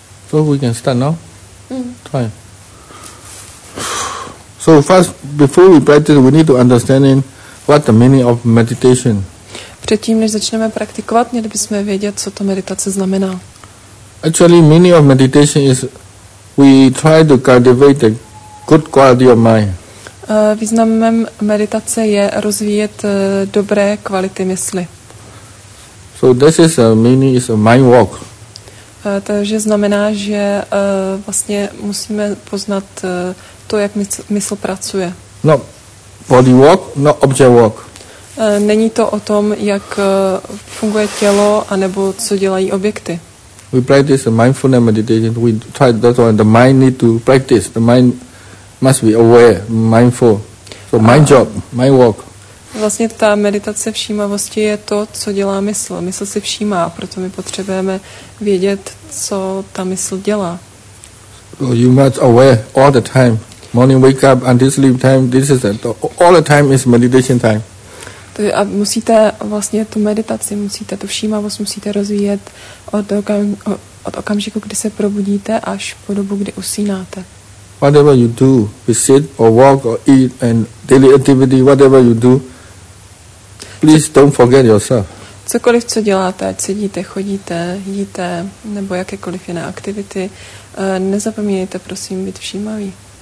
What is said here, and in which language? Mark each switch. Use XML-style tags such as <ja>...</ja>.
<en>So we can start now? Try. So first, before we practice, we need to understand what the meaning of meditation.</en> <cs>Předtím, než začneme praktikovat, měli bychom vědět, co to meditace znamená.</cs> <en>Actually, meaning of meditation is we try to cultivate a good quality of mind.</en> <cs>Významem meditace je rozvíjet dobré kvality mysli.</cs> <en>So this is a meaning is a mind walk.</en> <cs>Takže znamená, že vlastně musíme poznat to, jak mysl pracuje.</cs> <en>No, body walk, no object walk.</en> <cs>Není to o tom, jak funguje tělo anebo co dělají objekty.</cs> <en>We practice mindfulness meditation. We try that one. The mind need to practice. The mind must be aware, mindful. So mind job, mind walk.</en> <cs>Vlastně ta meditace všímavosti je to, co dělá mysl. Mysl si všímá, proto my potřebujeme vědět, co ta mysl dělá.</cs> <en>So you must aware all the time. Morning wake up and sleep time. This is it. All the time is meditation time.</en> <cs>A musíte vlastně tu meditaci, musíte tu všímavost, musíte rozvíjet od okamžiku, kdy se probudíte, až po dobu, kdy usínáte.</cs> <en>Whatever you do, we sit or walk or eat and daily activity, whatever you do, please don't forget yourself.</en> <cs>Cokoliv, co děláte, ať sedíte, chodíte, jíte, nebo jakékoliv jiné aktivity, nezapomínejte, prosím, být všímaví.</cs>